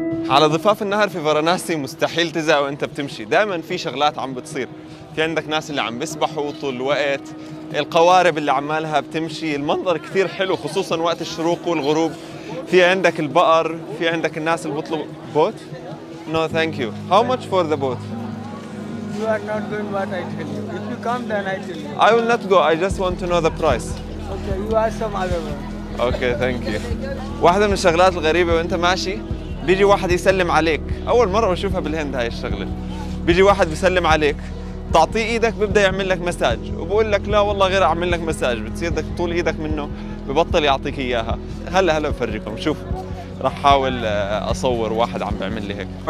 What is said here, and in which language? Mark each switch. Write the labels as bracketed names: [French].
[Arabic] على ضفاف النهر في فاراناسي مستحيل تزهق وانت بتمشي، دائما في شغلات عم بتصير. في عندك ناس اللي عم بيسبحوا طول الوقت، القوارب اللي عمالها بتمشي، المنظر كثير حلو خصوصا وقت الشروق والغروب. في عندك البقر، في عندك الناس اللي بطلب بوت. [English] No, thank you. How much for the boat? You are not doing what I tell you. If you come, then I tell you. I will not go. I just want to know the price. Okay, you ask some other one. Okay, thank you. [Arabic] واحدة من الشغلات الغريبة وانت ماشي بيجي واحد يسلم عليك، أول مرة بشوفها بالهند هاي الشغلة. بيجي واحد بيسلم عليك، تعطيه إيدك بيبدأ يعمل لك مساج، وبقول لك لا والله غير أعمل لك مساج، بتصير بدك تطول إيدك منه. ببطل يعطيك اياها. هلا هلا بفرجيكم، شوف راح احاول اصور واحد عم بيعمل لي هيك.